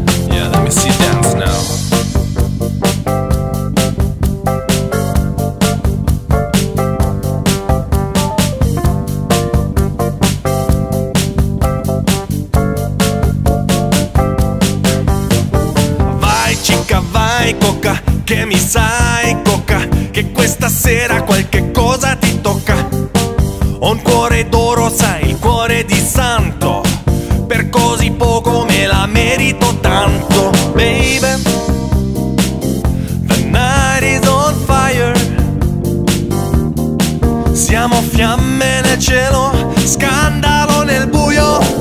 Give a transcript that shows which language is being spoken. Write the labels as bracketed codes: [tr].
[en] Yeah, let me see dance now. [it] Vai chica, vai coca, che mi sai coca, che questa sera qualche cosa ti tocca. Ho un cuore d'oro, sai, il cuore di santo. Per così poco me la merito tanto. [en] Baby, the night is on fire. [it] Siamo fiamme nel cielo, scandalo nel buio.